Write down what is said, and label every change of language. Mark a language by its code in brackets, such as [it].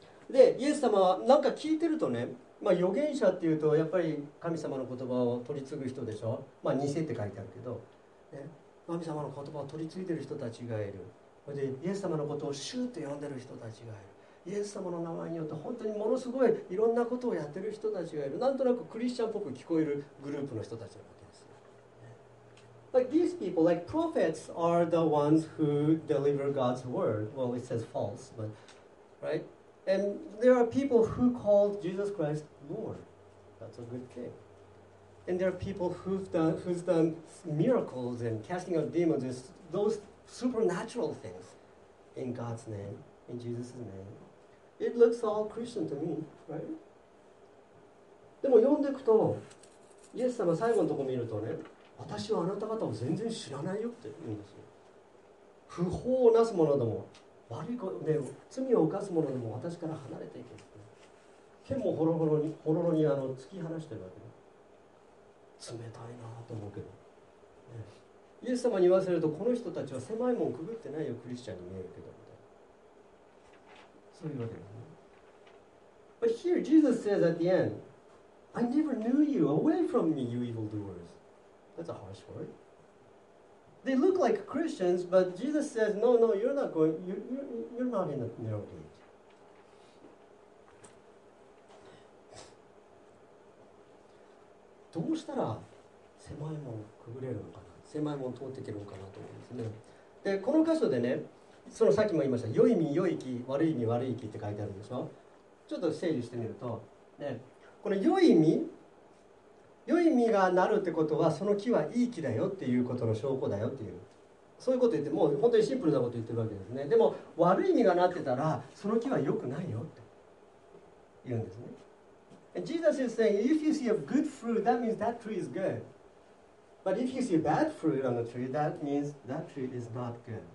[ja] で、イエス様はなんか聞いてるとね、まあ、預言者っていうとやっぱり神様の言葉を取り継ぐ人でしょ、まあ、偽って書いてあるけど、ね、神様の言葉を取り継いでる人たちがいる。でイエス様のことを主と呼んでる人たちがいる。イエス様の名前によって本当にものすごいいろんなことをやってる人たちがいる。なんとなくクリスチャンっぽく聞こえるグループの人たちなわけですよ。 [en] Like these people, like prophets are the ones who deliver God's word. Well, it says false, but right? And there are people who called Jesus Christ Lord. That's a good thing. And there are people who've done miracles and casting out demons, those supernatural things in God's name, in Jesus' name. It looks all Christian to me, right? [ja] でも読んでいくと、イエス様最後のとこ見るとね、私はあなた方を全然知らないよって言うんですよ。不法をなす者ども。悪いことで罪を犯す者でも私から離れていけって、剣もほろろに突き放してるわけで、冷たいなと思うけど、ね、イエス様に言わせるとこの人たちは狭い門くぐってないよクリスチャンに見えるけどみたいな、そういうわけですね。 [en] But here Jesus says at the end, I never knew you, away from me you evil doers. That's a harsh word. They look like Christians, but Jesus says, "No, no, you're not going. You're not in the narrow gate." [ja] どうしたら狭い門くぐれるのかな、狭い門通っていけるのかなと思うんですね。で、この箇所でね、そのさっきも言いました、良い実良い木、悪い実悪い木って書いてあるでしょ。ちょっと整理してみると、ね、この良い実。良い実がなるってことは、その木はいい木だよっていうことの証拠だよっていう、そういうこと言って、もう本当にシンプルなこと言ってるわけですね。でも悪い実がなってたら、その木は良くないよって言うんですね。 [en] And Jesus is saying, if you see a good fruit, that means that tree is good. But if you see a bad fruit on the tree, that means that tree is not good.